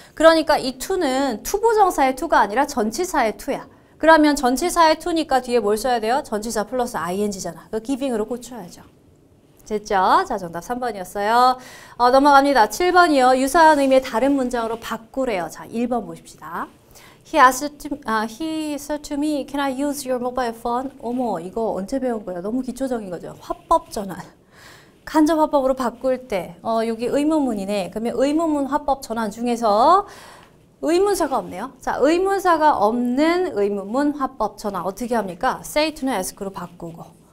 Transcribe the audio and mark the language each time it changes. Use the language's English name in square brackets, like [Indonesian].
[Korean] 그러니까 이 to는 투부정사의 to가 아니라 전치사의 to야. 그러면 전치사의 to니까 뒤에 뭘 써야 돼요? 전치사 플러스 ing잖아. 그 giving으로 고쳐야죠. 됐죠? 자, 정답 3번이었어요. 넘어갑니다. 7번이요. 유사한 의미의 다른 문장으로 바꾸래요. 자, 1번 보십시다. [English] He said to me, can I use your mobile phone? [Korean] 어머, 이거 언제 배운 거야? 너무 기초적인 거죠. 화법 전환. 간접 화법으로 바꿀 때, 여기 의문문이네. 그러면 의문문 화법 전환 중에서 의문사가 없네요. 자, 의문사가 없는 의문문 화법 전환 어떻게 합니까? Say to는 ask로 바꾸고.